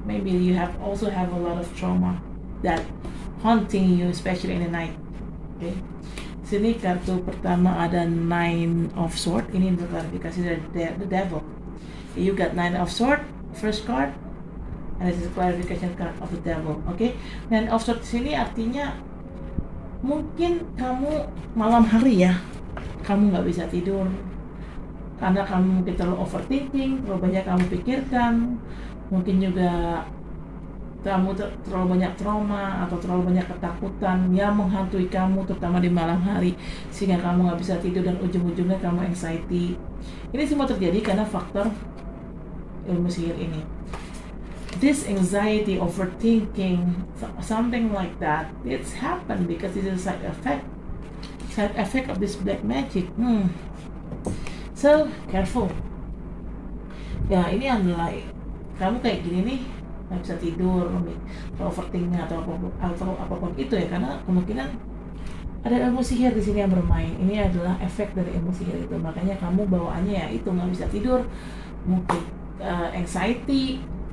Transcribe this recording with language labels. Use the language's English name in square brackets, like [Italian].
[English] Maybe you have also have a lot of trauma that haunting you, especially in the night. [Indonesian] Okay. Sini kartu pertama ada Nine of Swords. Ini untuk klarifikasi dari the Devil. [English] You got Nine of Swords, first card. And this is a clarification card of the Devil. Okay. [Indonesian] Nine of Swords sini artinya mungkin kamu malam hari ya, kamu nggak bisa tidur karena kamu mungkin terlalu overthinking, terlalu banyak kamu pikirkan, mungkin juga kamu terlalu banyak trauma atau terlalu banyak ketakutan yang menghantui kamu terutama di malam hari sehingga kamu nggak bisa tidur dan ujung-ujungnya kamu anxiety. Ini semua terjadi karena faktor ilmu sihir ini. [English] This anxiety, overthinking, something like that, it's happened because it's a side effect of this black magic. So careful. [Indonesian] Ya, ini yang mulai kamu kayak gini nih, nggak bisa tidur, overthinking atau apapun itu ya, karena kemungkinan ada ilmu sihir di sini yang bermain. Ini adalah efek dari ilmu sihir itu. Makanya kamu bawaannya ya itu nggak bisa tidur, mungkin anxiety.